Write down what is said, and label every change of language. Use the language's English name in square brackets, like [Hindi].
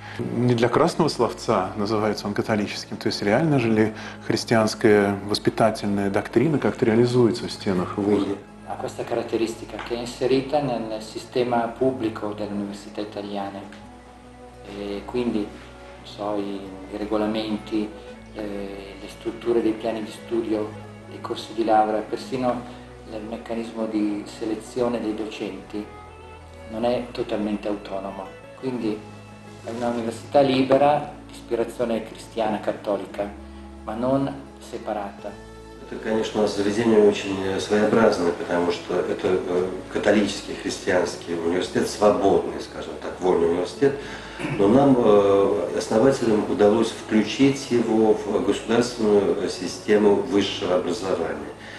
[Russian] Не для красного словца называется он католическим, то есть реально же ли христианская воспитательная доктрина как-то реализуется в стенах вуза? [Italian] A questa caratteristica che è inserita nel sistema pubblico delle università italiane. E quindi non so, i regolamenti, le strutture dei piani di studio, dei corsi di laurea, persino il meccanismo di selezione dei docenti non è totalmente autonomo. Quindi è una università libera, di ispirazione cristiana, cattolica, ma non separata. [Russian] Это, конечно, заведение очень своеобразное, потому что это католический, христианский университет, свободный, скажем так, вольный университет. Но нам, основателям, удалось включить его в государственную систему высшего образования.